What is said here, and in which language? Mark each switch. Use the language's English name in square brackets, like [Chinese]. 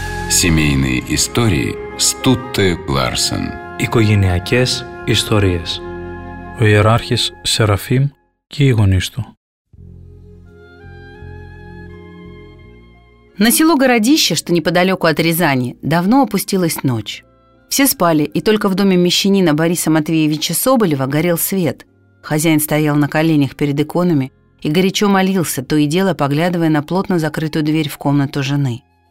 [Russian] Семейные истории Стутте Ларсен. [Greek] Οικογενειακές ιστορίες. Ο ιεράρχης Σεραφείμ και οι γονείς του. [Russian] На село Городище, что неподалеку от Рязани, давно опустилась ночь. Все спали, и только в доме мещанина Бориса Матвеевича Соболева горел свет. Хозяин стоял на коленях перед иконами и горячо молился, то и дело поглядывая на плотно закрытую дверь в комнату жены.